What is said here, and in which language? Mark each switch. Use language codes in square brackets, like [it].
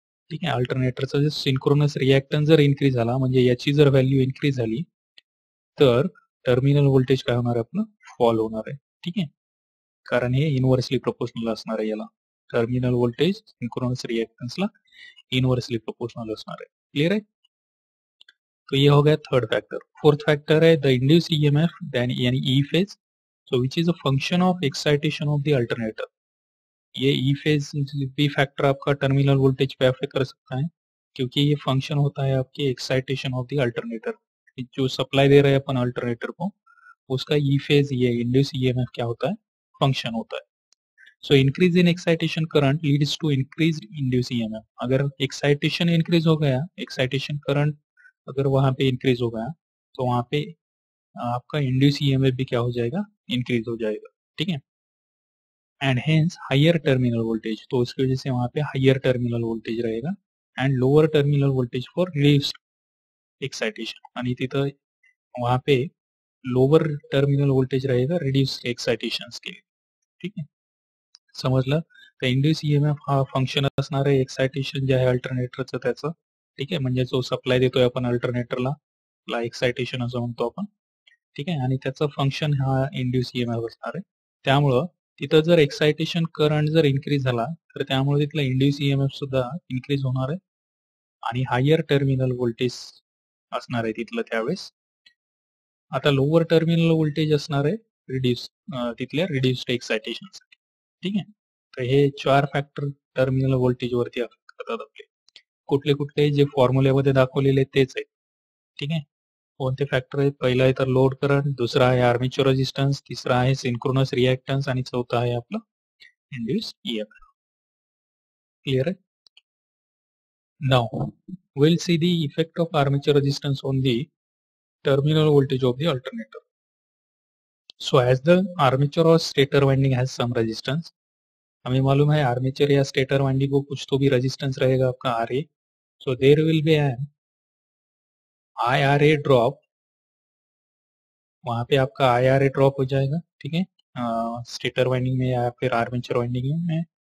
[mr] ठीक आहे, अल्टरनेटरचं जे सिंक्रोनस रिएक्टन्स जर इन्क्रीज झाला, म्हणजे याची जर व्हॅल्यू इन्क्रीज झाली तर टर्मिनल व्होल्टेज काय होणार आहे, आपलं फॉल होणार आहे. ठीक आहे, कारण हे इन्व्हर्सली प्रपोर्शनल असणार आहे, याला terminal voltage synchronous रिएक्टन्सला inversely proportional असणार आहे. क्लिअर आहे, [hi] तो ये हो गया थर्ड फैक्टर. [en] Fourth factor है the induced EMF, then यानी E phase. So which is a function of excitation of the alternator. [hi] ये ई फेज भी फैक्टर आपका टर्मिनल वोल्टेज पे अफेक्ट कर सकता है, क्योंकि ये फंक्शन होता है आपके [en] Excitation of the alternator. [hi] जो सप्लाई दे रहे हैं अपन अल्टरनेटर को, उसका ई फेज, ये इंड्यूस ईएमएफ क्या होता है, फंक्शन होता है. [en] So increase in excitation current leads to increase induce EMF. [hi] अगर एक्साइटेशन इंक्रीज हो गया, एक्साइटेशन करंट अगर वहां पे इंक्रीज हो गया, तो वहां पे आपका इंड्यूस ईएमएफ भी क्या हो जाएगा, इंक्रीज हो जाएगा. ठीक है, [en] and hence higher terminal voltage, [hi] तो उसकी वजह से वहां पे हायर टर्मिनल वोल्टेज रहेगा [en] and lower terminal voltage for release excitation, [mr] आणि तिथं [hi] वहां पे लोअर टर्मिनल वोल्टेज रहेगा रिड्यूस एक्साइटेशन के लिए, ठीक है समजलं। [mr] तर इंड्यूस ईएमएफ हा फंक्शन असणार आहे एक्साइटेशन जे आहे अल्टरनेटरचं त्याचं, ठीक आहे, म्हणजे जो सप्लाय देतोय आपण अल्टरनेटरला ला एक्साइटेशन असं म्हणतो आपण, ठीक आहे, आणि त्याचं फंक्शन हा इंड्यूस ईएमएफ असणार आहे। त्यामुळं तिथं जर एक्साइटेशन करंट जर इन्क्रीज झाला तर त्यामुळे तिथला इंड्यूस ईएमएफ सुद्धा इन्क्रीज होणार आहे आणि हायर टर्मिनल वोल्टेज असणार आहे तिथलं त्यावेळेस। आता लोअर टर्मिनल वोल्टेज असणार आहे रिड्यूस तिथल्या रिड्यूस्ड एक्साइटेशन, ठीक आहे। तर हे चार फॅक्टर टर्मिनल वोल्टेज वरती करतात आपले, कुठले कुठले जे फॉर्म्युल्यामध्ये दाखवलेले तेच आहे, ठीक आहे। कोणते फॅक्टर आहे, पहिलं आहे तर लोड करंट, दुसरा आहे आर्मेचर रेझिस्टन्स, तिसरा आहे सिंक्रोनस रिएक्टन्स आणि चौथा आहे आपलं इंड्यूस ईएमएफ। क्लिअर आहे? [en] Now will see the effect of armature resistance on the terminal voltage of the alternator. So as the armature और stator winding has some resistance, [hi] हमें मालूम है आर्मेचर या स्टेटर वाइंडिंग को कुछ तो भी रेजिस्टेंस रहेगा आपका R A, [en] so there will be an I R A drop, [hi] वहां पे आपका आई आर ए ड्रॉप हो जाएगा, ठीक है, स्टेटर वाइंडिंग में या फिर आर्मेचर वाइंडिंग में।